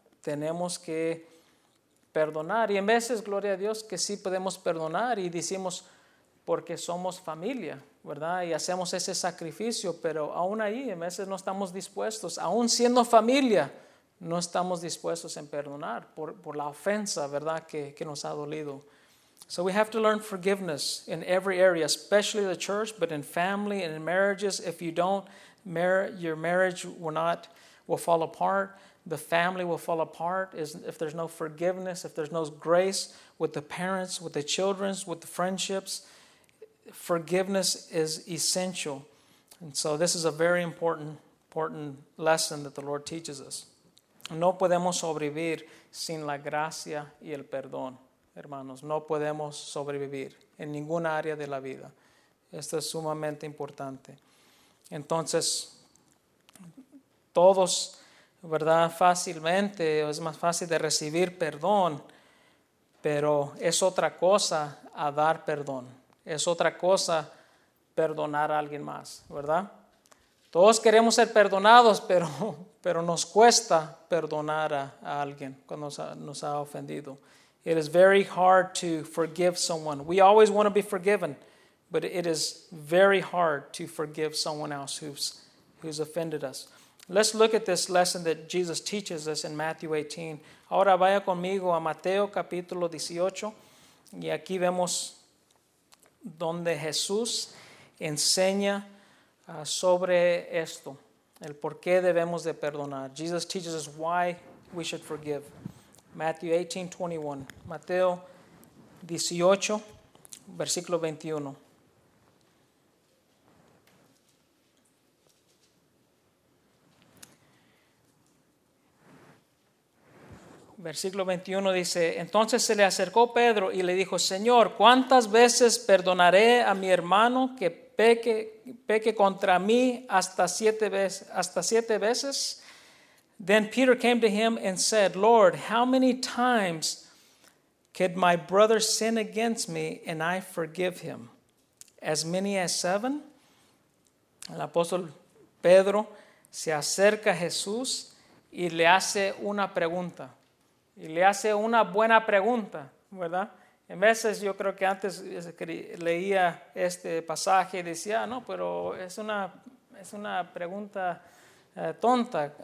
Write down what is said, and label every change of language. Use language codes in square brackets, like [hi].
[es] Tenemos que perdonar. Y en veces, gloria a Dios, que sí podemos perdonar y decimos, porque somos familia, ¿verdad? Y hacemos ese sacrificio, pero aún ahí, en veces no estamos dispuestos, aún siendo familia, no estamos dispuestos en perdonar por la ofensa, ¿verdad? Que nos ha dolido. [en] So we have to learn forgiveness in every area, especially the church, but in family and in marriages. If you don't, your marriage will fall apart. The family will fall apart. If there's no forgiveness, if there's no grace with the parents, with the children, with the friendships, forgiveness is essential. And so this is a very important lesson that the Lord teaches us. [es] No podemos sobrevivir sin la gracia y el perdón, hermanos. No podemos sobrevivir en ninguna área de la vida. Esto es sumamente importante. Entonces, todos, ¿verdad? Fácilmente, es más fácil de recibir perdón, pero es otra cosa a dar perdón. Es otra cosa perdonar a alguien más, ¿verdad? Todos queremos ser perdonados, pero nos cuesta perdonar a alguien cuando nos ha ofendido. [en] It is very hard to forgive someone. We always want to be forgiven, but it is very hard to forgive someone else who's offended us. Let's look at this lesson that Jesus teaches us in Matthew 18. [es] Ahora vaya conmigo a Mateo capítulo 18, y aquí vemos donde Jesús enseña sobre esto, el por qué debemos de perdonar. [en] Jesus teaches us why we should forgive. [es] Matthew 18:21. Mateo 18, versículo 21. Versículo 21 dice, entonces se le acercó Pedro y le dijo, Señor, ¿cuántas veces perdonaré a mi hermano que peque contra mí hasta siete veces? [en] Then Peter came to him and said, Lord, how many times could my brother sin against me and I forgive him? As many as seven? [es] El apóstol Pedro se acerca a Jesús y le hace una pregunta. Y le hace una buena pregunta, ¿verdad? En veces yo creo que antes leía este pasaje y decía, no, pero es una pregunta tonta.